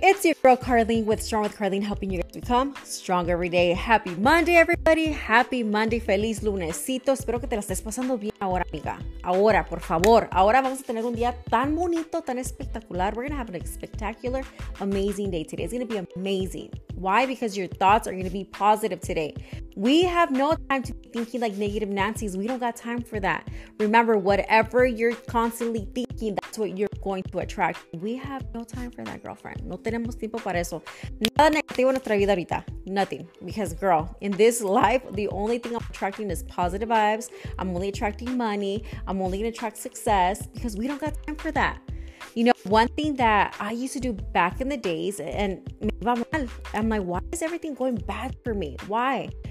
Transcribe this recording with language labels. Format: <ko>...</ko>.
<en>It's your girl, Carlene, with Strong with Carlene, helping you guys become strong every day. Happy Monday, everybody. Happy Monday.</en> <es>Feliz lunesito. Espero que te la estés pasando bien ahora, amiga. Ahora, por favor. Ahora vamos a tener un día tan bonito, tan espectacular.</es> <en>We're going to have a spectacular, amazing day today. It's going to be amazing. Why? Because your thoughts are going to be positive today. We have no time to be thinking like negative Nancy's. We don't got time for that. Remember, whatever you're constantly thinking, that's what you're going to attract. We have no time for that, girlfriend.</en> <es>No tenemos tiempo para eso. Nada negativo en nuestra vida ahorita.</es> <en>Nothing. Because, girl, in this life, the only thing I'm attracting is positive vibes. I'm only attracting money. I'm only going to attract success because we don't got time for that. You know, one thing that I used to do back in the days, and I'm like, why is everything going bad for me? Why?</en>